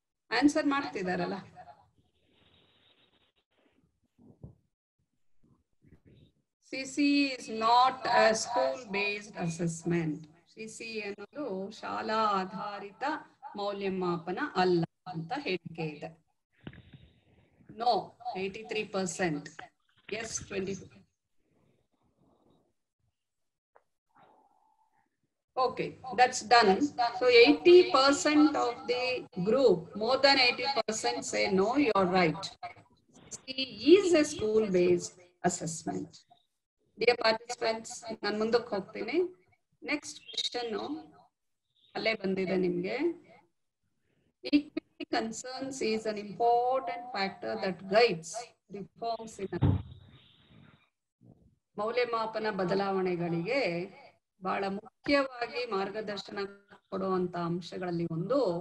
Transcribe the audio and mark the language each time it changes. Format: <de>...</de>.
<kn>Answer martidaralla.</kn> <en>CCE is not a school based assessment.</en> <kn>CCE ಅನ್ನೋದು ಶಾಲಾ ಆಧಾರಿತ ಮೌಲ್ಯಮಾಪನ ಅಲ್ಲ ಅಂತ ಹೇಳಿಕೆ ಇದೆ.</kn> <en>No, 83%. Yes, 20. Okay, that's done. So 80% of the group, more than 80% say no, you're right. CCE is a school based assessment. Dear participants,</en> <kn>ನಾನು ಮುಂದಕ್ಕೆ ಹೋಗ್ತೀನಿ. ನೆಕ್ಸ್ಟ್ ಕ್ವೆಶನ್ ಅಲ್ಲೇ ಬಂದಿದೆ ನಿಮಗೆ.</kn> <en>equity concerns is an important factor that guides reforms in</en> <kn>ಮೌಲ್ಯಮಾಪನ ಬದಲಾವಣೆಗಳಿಗೆ ಬಹಳ ಮುಖ್ಯವಾಗಿ ಮಾರ್ಗದರ್ಶನ ಕೊಡುವಂತ ಅಂಶಗಳಲ್ಲಿ ಒಂದು</kn>